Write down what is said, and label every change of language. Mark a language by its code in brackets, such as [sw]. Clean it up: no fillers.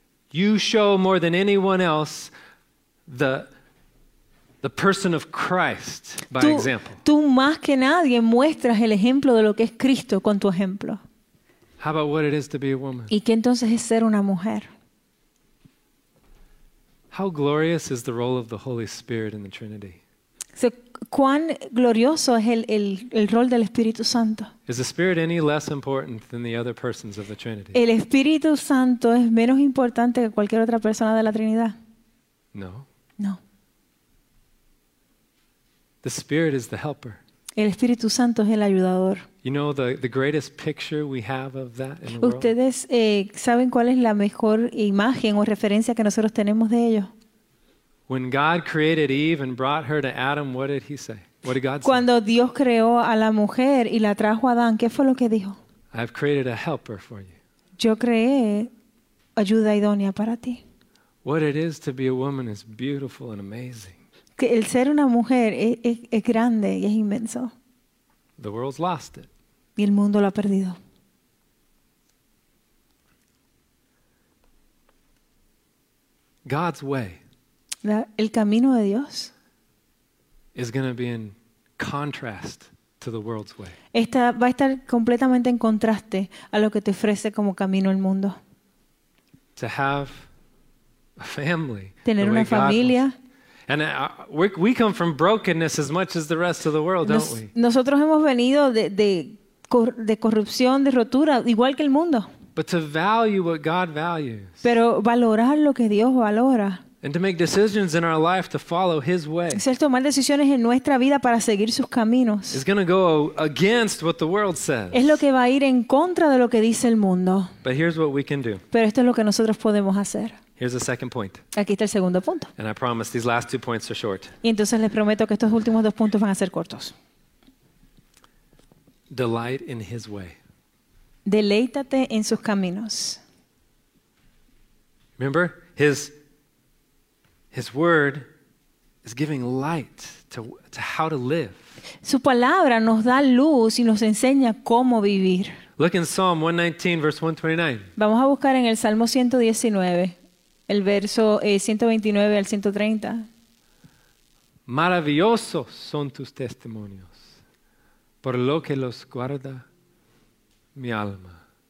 [en] You show more than anyone else the person of Christ by example. [es] Tú más que nadie muestras el ejemplo de lo que es Cristo con tu ejemplo. [en] How about what it is to be a woman? [es] ¿Y qué entonces es ser una mujer? [en] How glorious is the role of the Holy Spirit in the Trinity? [es] So, ¿cuán glorioso es el rol del Espíritu Santo? [en] Is the Spirit any less important than the other persons of the Trinity? [es] ¿El Espíritu Santo es menos importante que cualquier otra persona de la Trinidad? [en] No. [es] No. [en] The Spirit is the helper. [es] El Espíritu Santo es el ayudador. [en] You know the greatest picture we have of that in the world? [es] ¿Ustedes saben cuál es la mejor imagen o referencia que nosotros tenemos de ello? [en] When God created Eve and brought her to Adam, what did he say? What did God say? [es] Cuando Dios creó a la mujer y la trajo a Adán, ¿qué fue lo que dijo? [en] I've created a helper for you. [es] Yo creé ayuda idónea para ti. [en] What it is to be a woman is beautiful and amazing. [es] Que el ser una mujer es grande y es inmenso. [en] The world's lost it. [es] Y el mundo lo ha perdido. [en] God's way. [es] El camino de Dios. [en] Is going to be in contrast to the world's way. [es] Esta va a estar completamente en contraste a lo que te ofrece como camino el mundo. [en] To have a family. [es] Tener una familia. [en] And we come from brokenness as much as the rest of the world, don't we? [es] Nosotros hemos venido de corrupción, de rotura, igual que el mundo. [en] But to value what God values. [es] Pero valorar lo que Dios valora. [en] And to make decisions in our life to follow His way. [es] Hacer tomar decisiones en nuestra vida para seguir sus caminos. [en] It's going to go against what the world says. [es] Es lo que va a ir en contra de lo que dice el mundo. [en] But here's what we can do. [es] Pero esto es lo que nosotros podemos hacer. [en] Here's the second point. [es] Aquí está el segundo punto. [en] And I promise these last two points are short. [es] Y entonces les prometo que estos últimos dos puntos van a ser cortos. [en] Delight in His way. [es] Deleítate en sus caminos. [en] Remember, His word is giving light to how to live. [es] Su palabra nos da luz y nos enseña cómo vivir. [en] Look in Psalm 119, verse 129. [es] Vamos a buscar en el Salmo 119. El verso 129 al 130. Maravillosos son tus testimonios, por lo que los guarda mi alma.